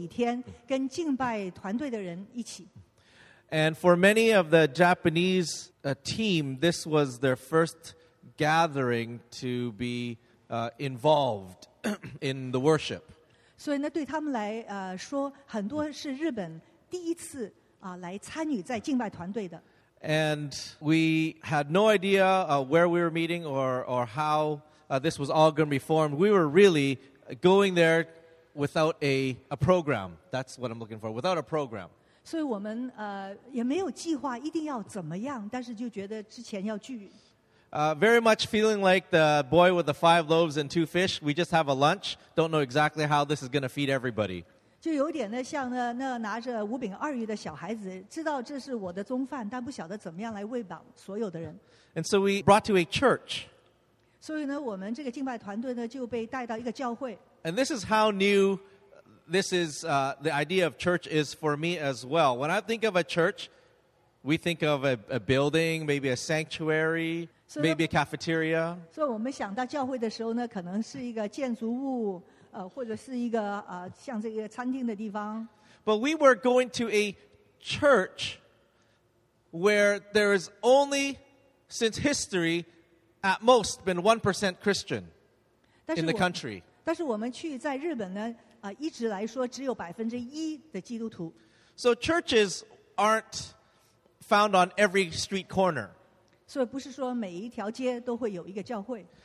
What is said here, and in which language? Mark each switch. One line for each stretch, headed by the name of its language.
Chinese: 日本聚集开始之前,我们有几天跟敬拜团队的人一起。
English: And for many of the Japanese team, this was their first gathering to be involved in the worship.
Chinese: 所以呢,对他们来说, 很多是日本第一次,
English: And we had no idea where we were meeting or how this was all going to be formed. We were really going there without a program. That's what I'm looking for, without a program.
Chinese: 所以我们, 也没有计划, 一定要怎么样, 但是就觉得之前要聚,
English: Very much feeling like the boy with the 5 loaves and 2 fish. We just have a lunch. Don't know exactly how this is going to feed everybody.
Chinese: 就有点呢, 像呢, 那拿着五饼二鱼的小孩子, 知道这是我的中饭, 但不晓得怎么样来喂饱所有的人。
English: And so we brought to a church.
Chinese: 所以呢, 我们这个敬拜团队呢, 就被带到一个教会。
English: And this is how new... This is the idea of church is for me as well. When I think of a church, we think of a building, maybe a sanctuary, maybe a cafeteria. So when we think of church, it might be a building, or a restaurant. But we were going to a church where there is only, since history, at most, been 1% Christian in the country. But we went to Japan.
Chinese: 一直来说只有1%的基督徒。
English: So churches aren't found on every street corner.
Chinese: 所以不是说每一条街都会有一个教会。